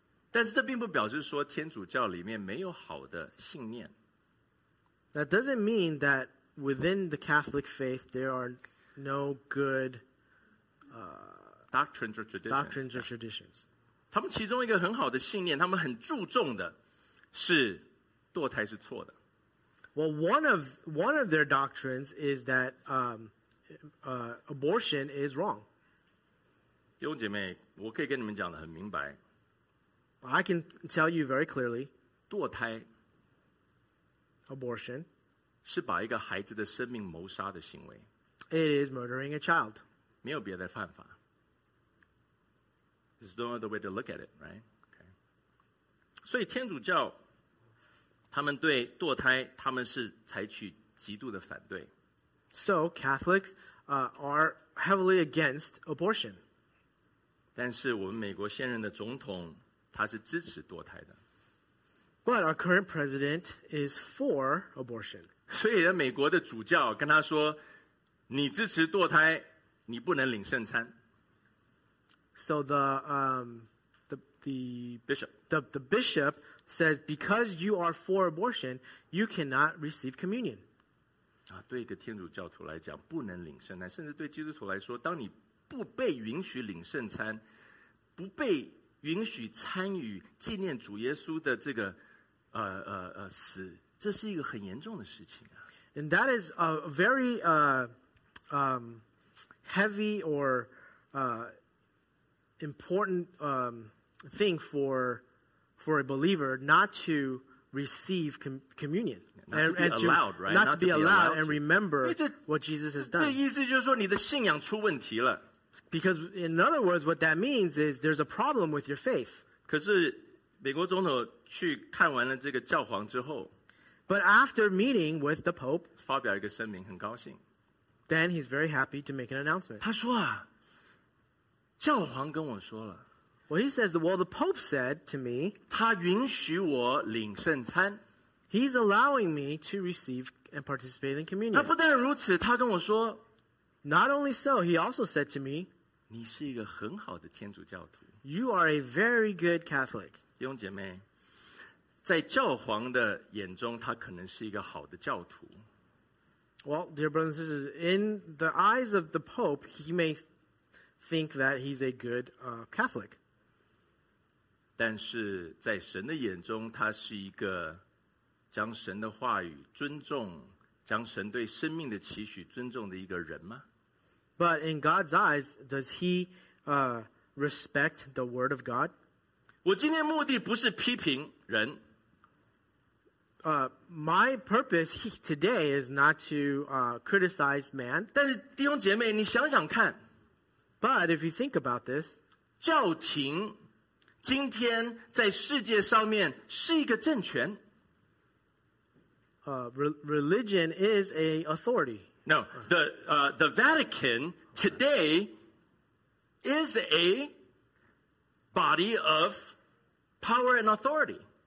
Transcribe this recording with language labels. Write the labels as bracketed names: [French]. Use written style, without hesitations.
[Chinese] 但是这并不表示说天主教里面没有好的信念。 [English] That doesn't mean that. Within the Catholic faith, there are no good doctrines or traditions. Doctrines or traditions. [Chinese] 他们其中一个很好的信念，他们很注重的是堕胎是错的。 [English] Well, one of their doctrines is that abortion is wrong. [Chinese] 弟兄姐妹，我可以跟你们讲得很明白。 [English] I can tell you very clearly. [Chinese] 堕胎 [English] abortion [Chinese] 是把一个孩子的生命谋杀的行为。 [English] It is murdering a child. [Chinese] 没有别的办法。 [English] There's no other way to look at it, right? Okay. [Chinese] 所以天主教他们对堕胎，他们是采取极度的反对。 [English] So Catholics are heavily against abortion. [Chinese] 但是我们美国现任的总统他是支持堕胎的。 [English] But our current president is for abortion. [Chinese] 所以美国的主教跟他说，你支持堕胎，你不能领圣餐。 [English] So the bishop the bishop says because you are for abortion, you cannot receive communion. [Chinese] 啊，对一个天主教徒来讲，不能领圣餐，甚至对基督徒来说，当你不被允许领圣餐，不被允许参与纪念主耶稣的这个死，这是一个很严重的事情啊。 [English] And that is a very heavy or important thing for a believer not to receive communion not to be allowed and remember what Jesus has done. [Chinese] 这意思就是说你的信仰出问题了。 [English] Because in other words, what that means is there's a problem with your faith. [Chinese] 可是美国总统去看完了这个教皇之后， [English] But after meeting with the Pope, [Chinese] 发表一个声明，很高兴。 [English] Then he's very happy to make an announcement. [Chinese] 他说啊，教皇跟我说了。 [English] Well, he says, well, the Pope said to me, [Chinese] 他允许我领圣餐。 [English] He's allowing me to receive and participate in communion. [Chinese] 那不但如此，他跟我说， [English] Not only so, he also said to me, [Chinese] 你是一个很好的天主教徒。 [English] You are a very good Catholic. [Chinese] 弟兄姐妹，在教皇的眼中，他可能是一个好的教徒。 [English] Well, dear brothers and sisters, in the eyes of the Pope, he may think that he's a good Catholic. [Chinese] 但是在神的眼中，他是一个将神的话语尊重，将神对生命的期许尊重的一个人吗？ [English] But in God's eyes, does he respect the word of God? [Chinese] 我今天目的不是批评人。 [English] My purpose today is not to criticize man. [Chinese] 但是弟兄姐妹，你想想看。 [English] But if you think about this, [Chinese] 教廷今天在世界上面是一个政权。 [English] Religion is a authority. No, the Vatican today is a body of power and authority.